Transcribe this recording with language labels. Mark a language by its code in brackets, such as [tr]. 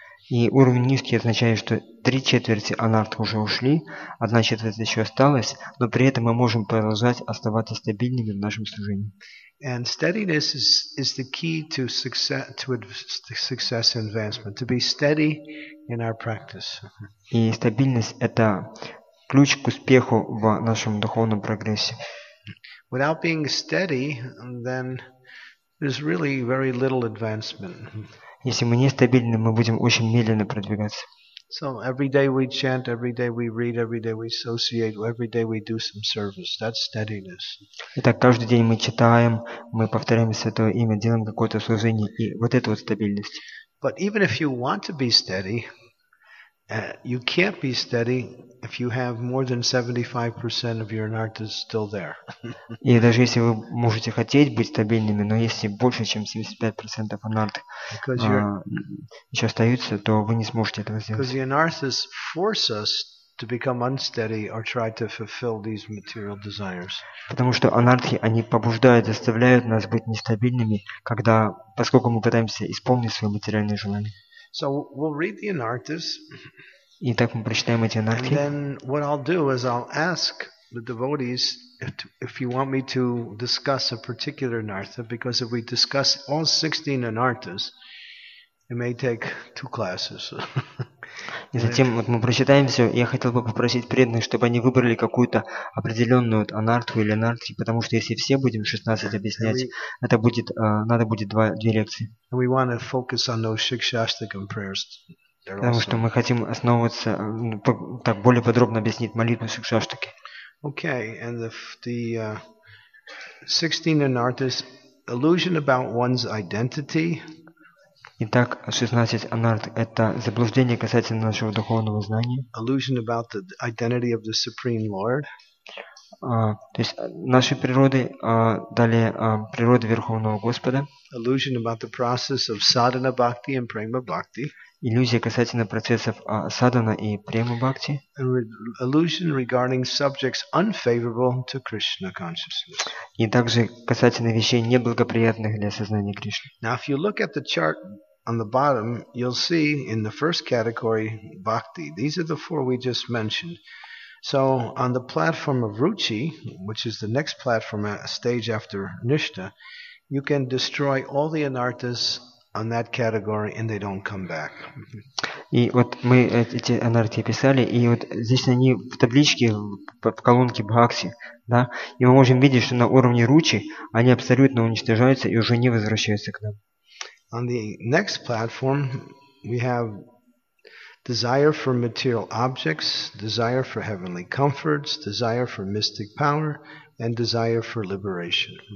[ru] И уровень низкий означает, что 3/4 анарт уже ушли, 1/4 еще осталось, но при этом мы можем продолжать оставаться стабильными в нашем служении. [en] And steadiness is the key to success, and advancement, to be steady in our practice. [ru] И стабильность – это ключ к успеху в нашем духовном прогрессе. [en] Without being steady, then there's really very little advancement. [ru] Если мы не стабильны, мы будем очень медленно продвигаться. [en] So every day we chant, every day we read, every day we associate, every day we do some service. That's steadiness. [ru] Итак, каждый день мы читаем, мы повторяем Святое Имя, делаем какое-то служение, и вот это вот стабильность. [en] But even if you want to be steady, you can't be steady if you have more than 75% of your anarthas still there. [ru] И даже если вы можете хотеть быть стабильными, но если больше, чем 75% анарт еще остаются, то вы не сможете этого сделать. [en] Because the anarthas force us to become unsteady or try to fulfill these material desires. [ru] Потому что анартхи, они побуждают, заставляют нас быть нестабильными, когда, поскольку мы пытаемся исполнить свои материальные желания. [en] So we'll read the anarthas. [ru] Итак, мы прочитаем эти анархи. [en] And then what I'll do is I'll ask the devotees if you want me to discuss a particular anartha, because if we discuss all 16 anarthas, it may take two classes. [ru] И затем вот мы прочитаем все, и я хотел бы попросить преданных, чтобы они выбрали какую-то определенную анартху или анартхи, потому что если все будем 16 объяснять, это будет, надо будет две лекции. [en] And we want to focus on those shikshastakam prayers. [ru] Потому что мы хотим основываться, так более подробно объяснить молитву Шикшаштаки. [en] Okay, and the 16 anarthas, illusion about one's identity. [ru] Итак, 16 анарт – это заблуждение касательно нашего духовного знания. [en] Illusion about the identity of the Supreme Lord. [ru] То есть нашей природы, далее природы Верховного Господа. [en] Illusion about the process of sadhana bhakti and prema bhakti. [ru] Иллюзия касательно процессов садхана и према бхакти. [en] Illusion regarding subjects unfavorable to Krishna consciousness. [ru] И также касательно вещей неблагоприятных для сознания Кришны. [en] Now if you look at the chart on the bottom, you'll see in the first category bhakti. These are the four we just mentioned. So on the platform of ruchi, which is the next platform, a stage after nishta, you can destroy all the anarthas on that category and they don't come back. [ru] И вот мы эти анарти писали, и вот здесь они в табличке, в колонке бхакти, да, и мы можем видеть, что на уровне ручи они абсолютно уничтожаются и уже не возвращаются к нам. [en] On the next platform we have desire for material objects, desire for heavenly comforts, desire for mystic power, and desire for liberation.